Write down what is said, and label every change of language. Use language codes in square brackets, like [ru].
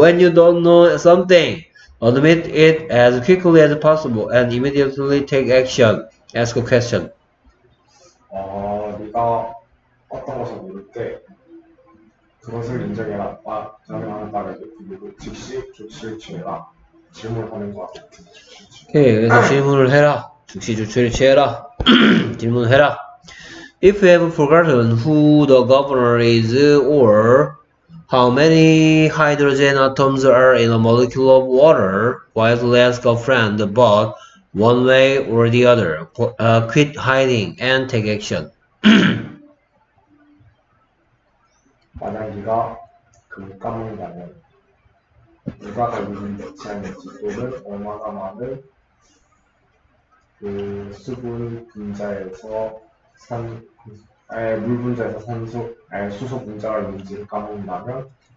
[en] When you don't know something, admit it as quickly as possible and immediately take action. Ask a question. [ko] 네가 어떤 것을 모를 때 그것을 인정해라. 가능한 바를 즉시 조치를 취해라. 질문을 하는 것 같아. 오케이, 그래서 질문을 해라. 즉시 조치를 취해라. 질문을 해라. [en] If you have forgotten who the governor is or how many hydrogen atoms are in a molecule of water, wisely ask a friend, but one way or the other, quit hiding and take action. [ko] 만약 네가 금을 까먹는다면 누가 가지고 있는 지향인지 또는 얼마나 많은 그 수분 분자에서 산, 아니, 물 분자에서 산소, 아니, 수소 분자가 있는지를 까먹는다면